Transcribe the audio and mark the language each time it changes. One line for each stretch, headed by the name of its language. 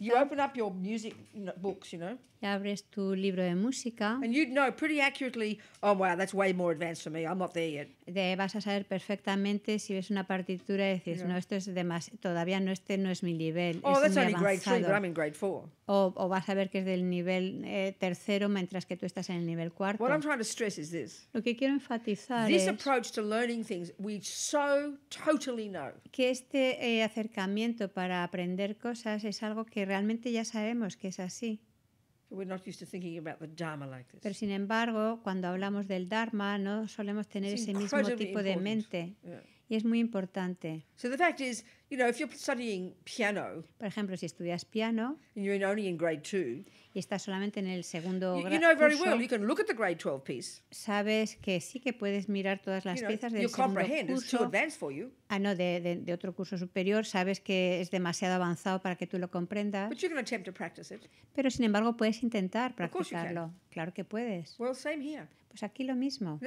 English: you open up your music books, you know.
Spanish: Y abres tu libro de música.
English: And you'd know pretty accurately. Oh wow, that's way more advanced for me. I'm not there yet.
Spanish: vas a saber perfectamente si ves una partitura y dices, yeah, no, esto es demasiado, todavía no, este no es mi nivel.
English: Oh,
Spanish: es
English: that's only
Spanish: avanzado.
English: Grade 3, but I'm in grade 4.
Spanish: O vas a ver que es del nivel tercero mientras que tú estás en el nivel cuarto.
English: What I'm trying to stress is this.
Spanish: Lo que quiero enfatizar
English: this
Spanish: es
English: approach to learning things we so totally know.
Spanish: Que este acercamiento para aprender cosas es algo que realmente ya sabemos que es así.
English: We're not used to thinking about the Dharma like this.
Spanish: Pero sin embargo, cuando hablamos del Dharma, no solemos tener ese mismo tipo
English: important.
Spanish: De mente. Yeah. Y es muy importante.
English: So the fact is, you know, if you're studying piano,
Spanish: por ejemplo, si estudias piano,
English: and you're only in grade 2,
Spanish: y estás solamente en el segundo
English: grado, you know very well, you can look at the grade 12 piece.
Spanish: Sabes que sí que puedes mirar todas las piezas del segundo curso.
English: It's too advanced for you.
Spanish: Ah, no, de otro curso superior, sabes que es demasiado avanzado para que tú lo comprendas.
English: But you can attempt to practice it.
Spanish: Pero sin embargo, puedes intentar practicarlo. Claro que puedes.
English: Well, same here.
Spanish: Pues aquí lo mismo.